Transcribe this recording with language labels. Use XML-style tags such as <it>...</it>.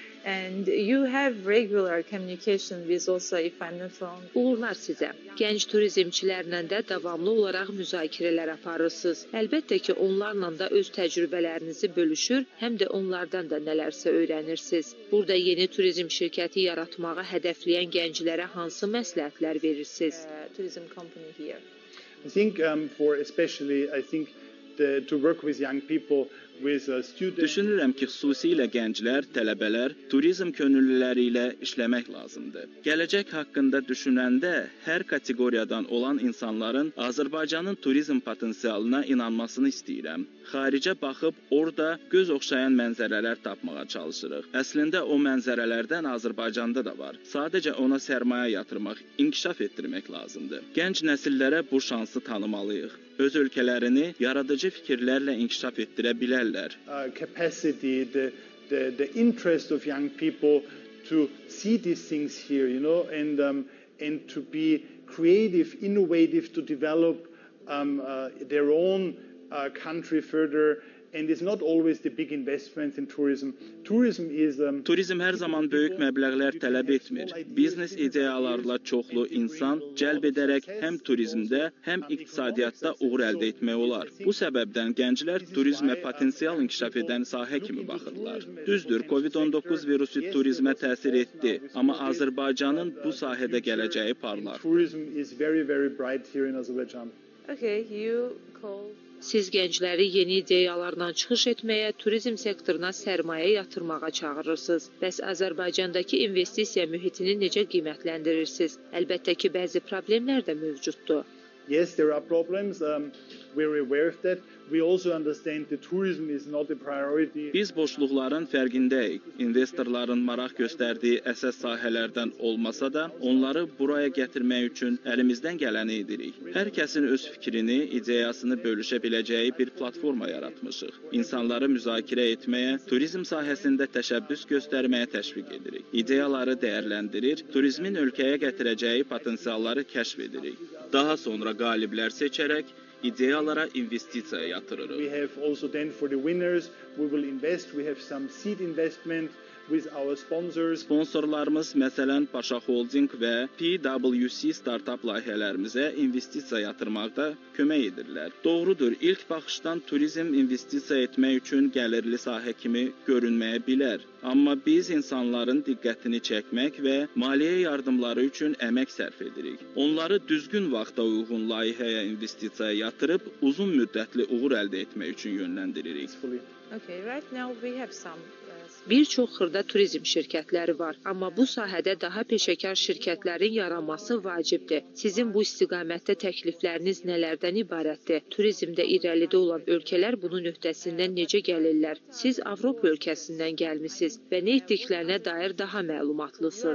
<en>And you have regular communication with OSA, if I'm not wrong.</en> <az>Uğurlar sizə. Gənc turizmçilərlə də davamlı olaraq müzakirələr aparırsınız. Əlbəttə ki, onlarla da öz təcrübələrinizi bölüşür, həm də onlardan da nələrsə öyrənirsiniz. Burada yeni turizm şirkəti yaratmağı hədəfləyən gənclərə hansı məsləhətlər verirsiniz?</az> <en>Turizm company here. I think to work with young people, with students.</en> <az>Düşünürəm ki, xüsusilə gənclər, tələbələr, turizm könüllüləri ilə işləmək lazımdır. Gələcək haqqında düşünəndə hər kateqoriyadan olan insanların Azərbaycanın turizm potensialına inanmasını istəyirəm. Xaricə baxıb orada göz oxşayan mənzərələr tapmağa çalışırıq. Əslində o mənzərələrdən Azərbaycanda da var. Sadəcə ona sərmayə yatırmaq, inkişaf etdirmək lazımdır. Gənc nəsillərə bu şansı tanımalıyıq. Öz ölkələrini yaradıcı fikirlərlə inkişaf etdirə bilərlər.</az> <en>Capacity, the interest of young people to see these things here, you know, and to be creative, innovative, to develop their own country further. And it's not always the big investments in tourism. Tourism is</en> <az>Turizm hər zaman böyük məbləğlər tələb etmir. Biznes ideyalarla çoxlu insan cəlb edərək həm turizmdə, həm iqtisadiyyatda uğur əldə etmək olar. Bu səbəbdən gənclər turizmə potensial inkişaf edən sahə kimi baxırlar. Düzdür, COVID-19 virusu turizmə təsir etdi, amma Azərbaycanın bu sahədə gələcəyi parlar.</az> <en>Tourism is very very bright here in Azerbaijan. Okay, you call</en> <az>Siz gəncləri yeni ideyalarla çıxış etməyə, turizm sektoruna sərmayə yatırmağa çağırırsınız. Bəs Azərbaycandakı investisiya mühitini necə qiymətləndirirsiniz? Əlbəttə ki, bəzi problemlər də mövcuddur.</az> <en>Yes, there are problems. We're aware of that. We also understand that tourism is not a priority.</en> <az>Biz boşluqların fərqindəyik. İnvestorların maraq göstərdiyi əsas sahələrdən olmasa da, onları buraya gətirmək üçün əlimizdən gələni edirik. Hər kəsin öz fikrini, ideyasını bölüşə biləcəyi bir platforma yaratmışıq. İnsanları müzakirə etməyə, turizm sahəsində təşəbbüs göstərməyə təşviq edirik. İdeyaları dəyərləndirir, turizmin ölkəyə gətirəcəyi potensialları kəşf edirik. Daha sonra qaliblər seçərək İdeyalara investisiya yatırırıq.</az> <en>We have also then for the winners we will invest. We have some seed investment with our sponsors.</en> <az>Sponsorlarımız məsələn Paşa Holding və PwC startup layihələrimizə investisiya yatırmaqda kömək edirlər. Doğrudur, ilk baxışdan turizm investisiya etmək üçün gəlirli sahə kimi görünməyə bilər. Amma biz insanların diqqətini çəkmək və maliyyə yardımları üçün əmək sərf edirik. Onları düzgün vaxta uyğun layihəyə investisiya yatırıb uzun müddətli uğur əldə etmək üçün yönləndiririk.</az> <en>Okay, right now we have some</en> <az>Bir çox xırda turizm şirkətləri var, amma bu sahədə daha peşəkar şirkətlərin yaranması vacibdir. Sizin bu istiqamətdə təklifləriniz nələrdən ibarətdir? Turizmdə irəlidə olan ölkələr bunun öhdəsindən necə gəlirlər? Siz Avropa ölkəsindən gəlmisiniz və nə etdiklərinə dair daha məlumatlısınız.</az>